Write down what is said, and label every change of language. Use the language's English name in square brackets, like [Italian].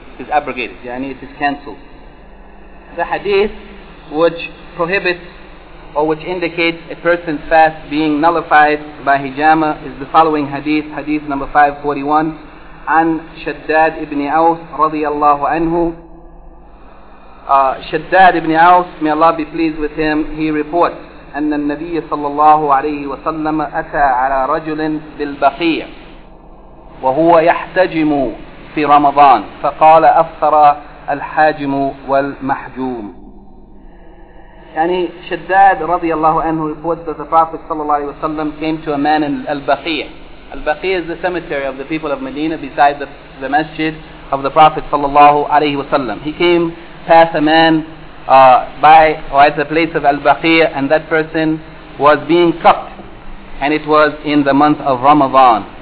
[English] It is abrogated, yani it is cancelled. The hadith which prohibits or which indicates a person's fast being nullified by hijama is the following hadith, hadith number 541, an Shaddad ibn Aus radiallahu anhu. Shaddad ibn Aus, may Allah be pleased with him, he reports [Arabic] أن النبي صلى الله عليه وسلم أتى على رجل بالبقيع وهو يحتجم في رمضان فقال أفطر الحاجم والمحجوم. [English] يعني شداد رضي الله عنه reports that the Prophet صلى الله عليه وسلم came to a man in البقيع. البقيع is the cemetery of the people of Medina beside the masjid of the Prophet صلى الله عليه وسلم. He came past a man at the place of Al-Baqir, and that person was being cupped, and it was in the month of Ramadan.